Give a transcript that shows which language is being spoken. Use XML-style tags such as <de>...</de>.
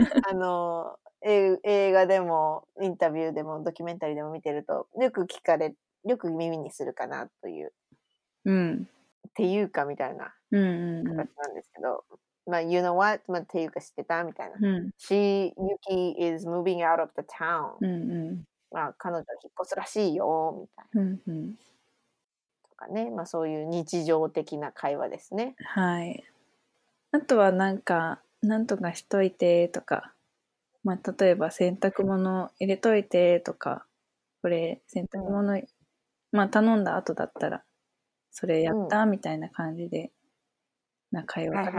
<ja>あの映画でもインタビューでもドキュメンタリーでも見てるとよく聞かれ、よく耳にするかなという、うん、っていうかみたいな形なんですけど、うんうんうん、</ja> <en>まあ You know what?</en> <ja>まあっていうか知ってたみたいな、うん、</ja> <en>She Yuki is moving out of the town、うんうん、</en> <ja>まあ彼女は引っ越すらしいよみたいな、うんうん、とかね、まあそういう日常的な会話ですね。はい。あとはなんかなんとかしといてとか、まあ例えば洗濯物入れといてとか、これ洗濯物、うん、まあ頼んだ後だったらそれやった、うん、みたいな感じでな会話かな、</ja>